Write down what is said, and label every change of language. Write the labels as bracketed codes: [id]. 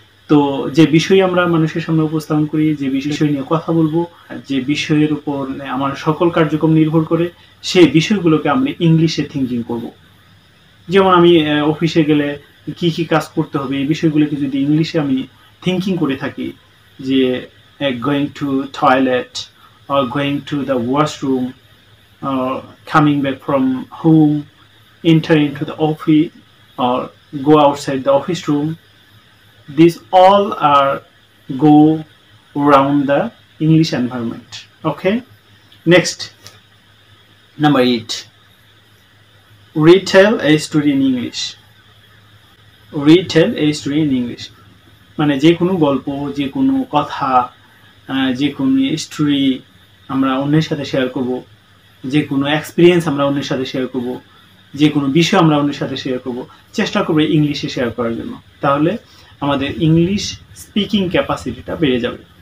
[bn] তো যে বিষয় আমরা মানুষের সামনে উপস্থাপন করি, যে বিষয় নিয়ে কথা বলবো, যে বিষয়ের উপর আমার সকল কার্যক্রম নির্ভর করে সেই বিষয়গুলোকে আমি ইংলিশে থিঙ্কিং করব। যেমন আমি অফিসে গেলে কী কী কাজ করতে হবে এই বিষয়গুলোকে যদি ইংলিশে আমি থিঙ্কিং করে থাকি, যে [en] going to toilet or going to the washroom or coming back from home, enter into the office or go outside the office room. These all are go around the English environment. Okay, next, number 8. Retell a story in English. Retell a story in English. [bn] মানে যে কোনো গল্প, যে কোনো কথা, যে কোনো story আমরা অন্যের সাথে শেয়ার করব, যে কোনো এক্সপিরিয়েন্স আমরা অন্যের সাথে শেয়ার করব, যে কোনো বিষয় আমরা অন্যের সাথে শেয়ার করব, চেষ্টা করব ইংলিশে শেয়ার করার জন্য। তাহলে আমাদের ইংলিশ স্পিকিং ক্যাপাসিটিটা বেড়ে যাবে।